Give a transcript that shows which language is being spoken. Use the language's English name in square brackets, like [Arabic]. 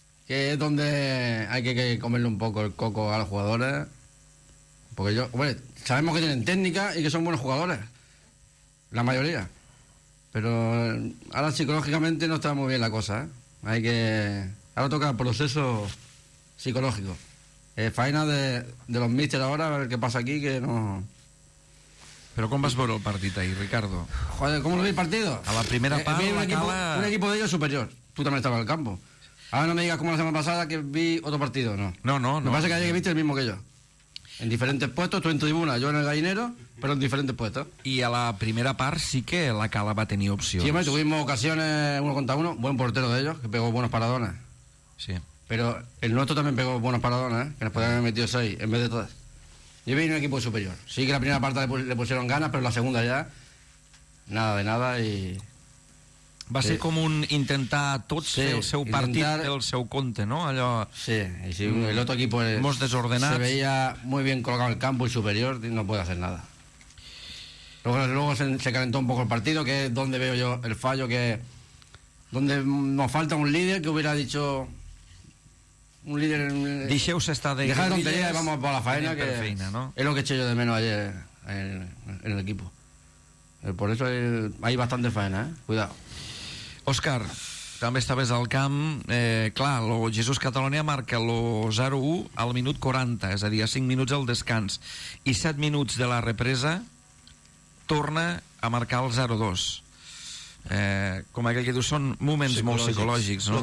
[Spanish] que es donde hay que comerle un poco el coco a los jugadores, porque yo, bueno, sabemos que tienen técnica y que son buenos jugadores, la mayoría, pero ahora psicológicamente no está muy bien la cosa, ¿eh? Hay que, ahora toca el proceso psicológico, faena de los míster ahora, a ver qué pasa aquí, que no... [Catalan] Però com vas veure el partit ahí, Ricardo? [Spanish] Joder, ¿cómo lo vi el partido? [Catalan] A la primera part, [Spanish] un equipo de ellos superior, tú también estabas en el campo. Ahora no me digas como la semana pasada que vi otro partido, no. No. Me parece que ayer viste el mismo que yo. En diferentes puestos, tú en tribuna, yo en el gallinero, pero en diferentes puestos. Y a la primera par sí que la Cala va a tener opciones. Sí, tuvimos ocasiones uno contra uno, buen portero de ellos, que pegó buenos paradones. Sí. Pero el nuestro también pegó buenos paradones, que nos podían haber metido 6 en vez de 3. Yo vi un equipo superior. Sí que la primera parte le pusieron ganas, pero la segunda ya, nada de nada y... [Catalan] Va ser com un intentar tots fer el seu partit, el seu compte, no? Allò... [Spanish] Sí, y si el otro equipo [Catalan] molt desordenat. [Spanish] Se veía muy bien colocado en el campo y superior, no puede hacer nada. Luego se calentó un poco el partido, que es donde veo yo el fallo, que donde nos falta un líder que hubiera dicho... Un líder... [Catalan] Deixeu-se estar de... [Spanish] Dejar tonterías y vamos a la faena, [Catalan] que feina, [Spanish] ¿no? Es lo que eché yo de menos ayer en el equipo. Por eso hay bastante faena, ¿eh? Cuidado. [Catalan] Òscar, també estaves al camp. Clar, el Jesús Catalonia marca el 0-1 al minut 40, és a dir, a 5 minuts al descans. I 7 minuts de la represa torna a marcar el 0-2. Com aquell que diu, són moments molt psicològics, no?